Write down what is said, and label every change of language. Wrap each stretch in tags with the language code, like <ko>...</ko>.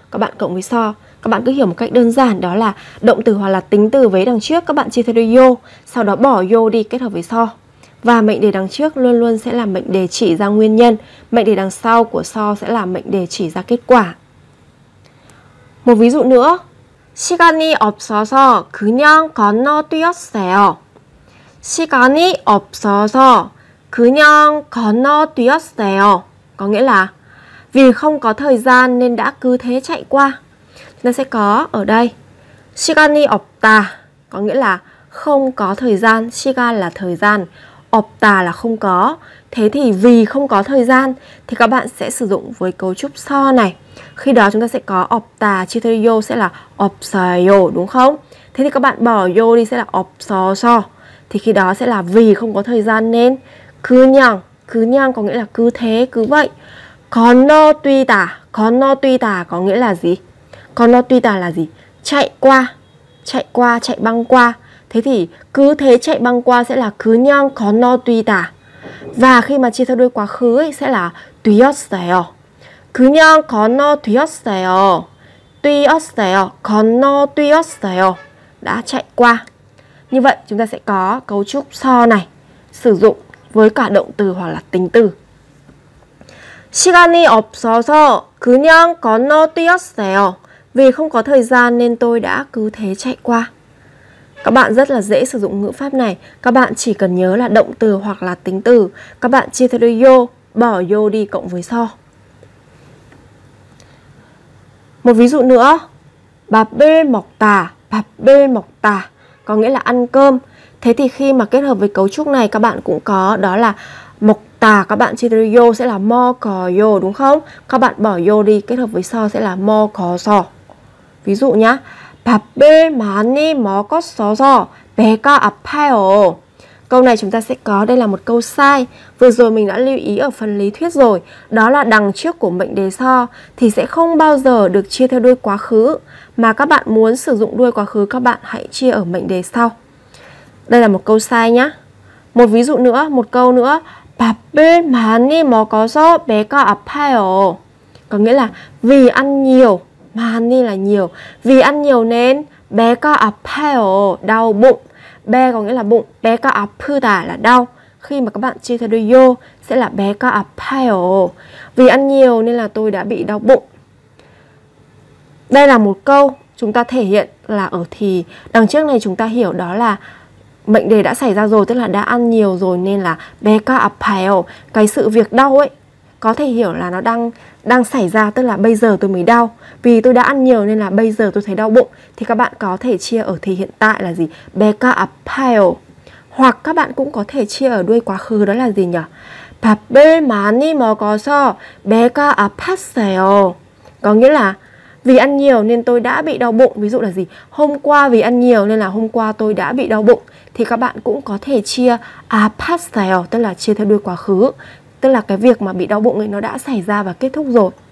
<vi>Các bạn cộng với so, các bạn cứ hiểu một cách đơn giản đó là động từ hoặc là tính từ với đằng trước các bạn chia theo đuôi yo, sau đó bỏ yo đi kết hợp với so. Và mệnh đề đằng trước luôn luôn sẽ là mệnh đề chỉ ra nguyên nhân, mệnh đề đằng sau của so sẽ là mệnh đề chỉ ra kết quả. Một ví dụ nữa,</vi> <ko>시간이 없어서 그냥 건너뛰었어요. 시간이 없어서 그냥 건너뛰었어요.</ko> <vi>Có nghĩa là vì không có thời gian nên đã cứ thế chạy qua. Chúng ta sẽ có ở đây</vi> <ko>시간이 없다</ko> <vi>có nghĩa là không có thời gian. 시간 là thời gian, 없다 là không có. Thế thì vì không có thời gian thì các bạn sẽ sử dụng với cấu trúc so này. Khi đó chúng ta sẽ có 없다 chia theo yo sẽ là 없어요 đúng không? Thế thì các bạn bỏ yo đi sẽ là 없어서. Thì khi đó sẽ là vì không có thời gian nên 그냥, 그냥 có nghĩa là cứ thế, cứ vậy. 건너뛰다, 건너뛰다 có nghĩa là gì? 건너뛰다 là gì? Chạy qua, chạy băng qua. Thế thì cứ thế chạy băng qua sẽ là</vi> <ko>그냥 건너뛰다.</ko> <vi>Và khi mà chia theo đuôi quá khứ ấy, sẽ là 뛰었어요.</vi> <ko>그냥 건너뛰었어요. 뛰었어요, 건너뛰었어요.</ko> <vi>Đã chạy qua. Như vậy chúng ta sẽ có cấu trúc so này sử dụng với cả động từ hoặc là tính từ.</vi> <ko>시간이 없어서 그냥 건너뛰었어요.</ko> <vi>Vì không có thời gian nên tôi đã cứ thế chạy qua. Các bạn rất là dễ sử dụng ngữ pháp này. Các bạn chỉ cần nhớ là động từ hoặc là tính từ. Các bạn chia theo đuôi yo, bỏ yo đi cộng với so. Một ví dụ nữa.</vi> <ko>밥을 먹다, 밥을 먹다</ko> <vi>có nghĩa là ăn cơm. Thế thì khi mà kết hợp với cấu trúc này các bạn cũng có đó là mộc tà, các bạn chia theo yo sẽ là mo cò yo đúng không? Các bạn bỏ yo đi kết hợp với so sẽ là mo cò so. Ví dụ nhá.</vi> <ko>밥을 많이 먹었어서 배가 아파요.</ko> <vi>Câu này chúng ta sẽ có đây là một câu sai. Vừa rồi mình đã lưu ý ở phần lý thuyết rồi, đó là đằng trước của mệnh đề so thì sẽ không bao giờ được chia theo đuôi quá khứ. Mà các bạn muốn sử dụng đuôi quá khứ, các bạn hãy chia ở mệnh đề sau. Đây là một câu sai nhá. Một ví dụ nữa, một câu nữa.</vi> <ko>밥을 많이 먹어서 배가 아파요.</ko> <vi>Có nghĩa là vì ăn nhiều, 많이 là nhiều, vì ăn nhiều nên</vi> <ko>배가 아파요,</ko> <vi>đau bụng. 배 có nghĩa là bụng,</vi> <ko>배가 아프다</ko> <vi>là đau. Khi mà các bạn chia theo đuôi yo sẽ là</vi> <ko>배가 아파요.</ko> <vi>Vì ăn nhiều nên là tôi đã bị đau bụng. Đây là một câu chúng ta thể hiện là ở thì đằng trước này chúng ta hiểu đó là mệnh đề đã xảy ra rồi, tức là đã ăn nhiều rồi nên là</vi> <ko>배가 아파요.</ko> <vi>Cái sự việc đau ấy có thể hiểu là nó đang xảy ra, tức là bây giờ tôi mới đau. Vì tôi đã ăn nhiều nên là bây giờ tôi thấy đau bụng. Thì các bạn có thể chia ở thì hiện tại là gì?</vi> <ko>배가 아파요.</ko> <vi>Hoặc các bạn cũng có thể chia ở đuôi quá khứ đó là gì nhỉ?</vi> <ko>밥을 많이 먹어서 배가 아팠어요.</ko> <vi>Có nghĩa là vì ăn nhiều nên tôi đã bị đau bụng. Ví dụ là gì? Hôm qua vì ăn nhiều nên là hôm qua tôi đã bị đau bụng. Thì các bạn cũng có thể chia 아팠어요, tức là chia theo đuôi quá khứ, tức là cái việc mà bị đau bụng ấy nó đã xảy ra và kết thúc rồi.</vi>